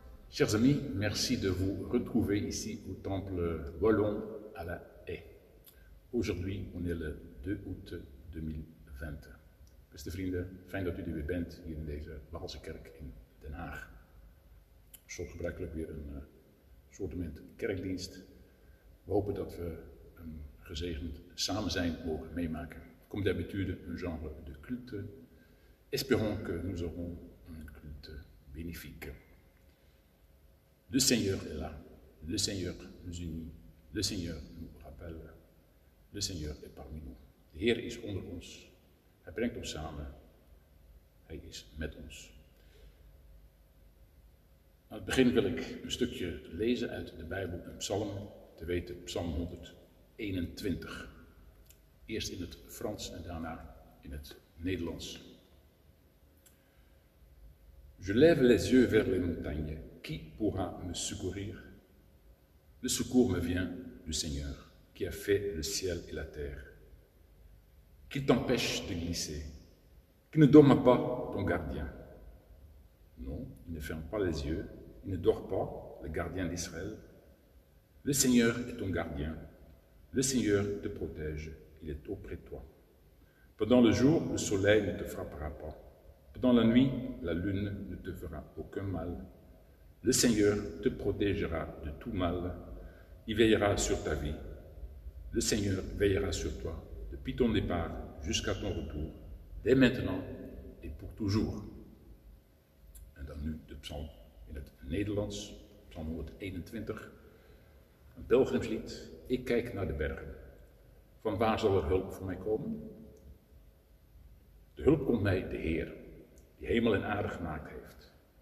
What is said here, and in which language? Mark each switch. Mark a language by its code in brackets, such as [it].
[fr] Chers amis, merci de vous retrouver ici au temple Wollon à La Haye. Aujourd'hui, on est le 2 août 2020. [nl] Beste vrienden, fijn dat u er weer bent hier in deze Waalse kerk in Den Haag. Zoals gebruikelijk weer een soortement kerkdienst. We hopen dat we een gezegend samen zijn mogen meemaken. [fr] Comme d'habitude, un genre de culte. Espérons que nous aurons un culte bénéfique. Le Seigneur est là. Le Seigneur nous unit. Le Seigneur nous rappelle. Le Seigneur est parmi nous. [nl] De Heer is onder ons. Hij brengt ons samen. Hij is met ons. Aan het begin wil ik een stukje lezen uit de Bijbel, een psalm, te weten psalm 121. Eerst in het Frans en daarna in het Nederlands. [fr] Je lève les yeux vers les montagnes. Qui pourra me secourir? Le secours me vient du Seigneur, qui a fait le ciel et la terre. Qui t'empêche de glisser? Qui ne dorme pas ton gardien? Non, il ne ferme pas les yeux, il ne dort pas, le gardien d'Israël. Le Seigneur est ton gardien, le Seigneur te protège, il est auprès de toi. Pendant le jour, le soleil ne te frappera pas. Pendant la nuit, la lune ne te fera aucun mal. Le Seigneur te protégera de tout mal, il veillera sur ta vie. Le Seigneur veillera sur toi, depuis ton départ jusqu'à ton retour, dès maintenant et pour toujours. [nl] En dan nu de psalm in het Nederlands, psalm 121, een pelgrimslied. Ik kijk naar de bergen. Van waar zal er hulp voor mij komen? De hulp komt mij de Heer, die hemel en aarde gemaakt heeft.